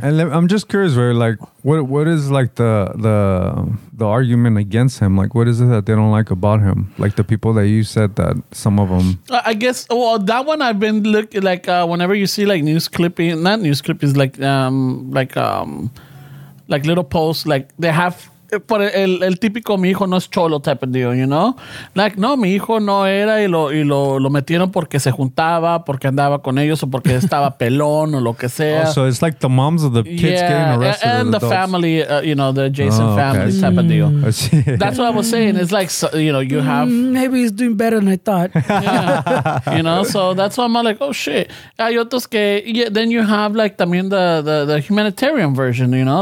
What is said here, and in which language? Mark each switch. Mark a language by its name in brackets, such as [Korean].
[English] And I'm just curious, where like, what is like the argument against him? Like, what is it that they don't like about him? Like the people that you said that some of them. I guess. Well, that one I've been looking like whenever you see like news clipping, not news clippings, like little posts, like they have. But [Spanish] el típico mi hijo no es cholo [English] type of deal, you know? Like, [Spanish] no, mi hijo no era y lo metieron porque se juntaba, porque andaba con ellos o porque estaba pelón o lo que sea. [English] Oh, so it's like the moms of the kids getting arrested. Yeah, and the family, you know, the Jason family type of deal. That's what I was saying. It's like, so, you know, you have... Maybe he's doing better than I thought. Yeah. You know, so that's why I'm like, oh, shit. [Spanish] Hay otros que... [English] Yeah, then you have, like, [Spanish] también [English] the humanitarian version, you know?